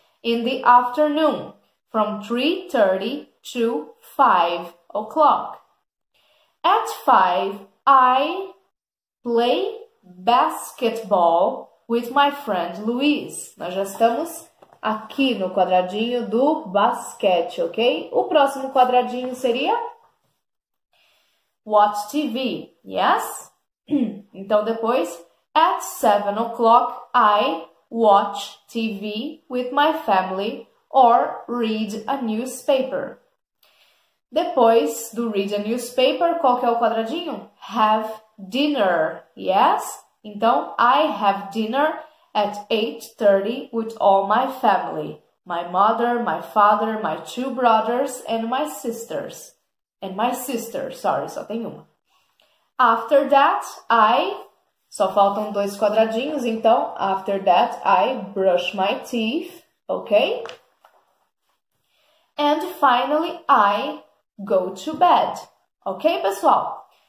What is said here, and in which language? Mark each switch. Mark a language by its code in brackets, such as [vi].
[en] In the afternoon, from 3:30 to 5 o'clock. At 5, I play basketball with my friend Luis. [pt] Nós já estamos aqui no quadradinho do basquete, ok? O próximo quadradinho seria watch TV, yes? Então depois, [en] at 7 o'clock, I watch TV with my family or read a newspaper. [pt] Depois do read a newspaper, qual que é o quadradinho? [en] Have dinner, yes? Então, I have dinner at 8:30 with all my family, my mother, my father, my two brothers and my sisters. And my sister, sorry, [pt] só tem uma. [en] After that, I. [pt] Só faltam dois quadradinhos, então [en] after that I brush my teeth, ok? And finally I go to bed, ok, pessoal?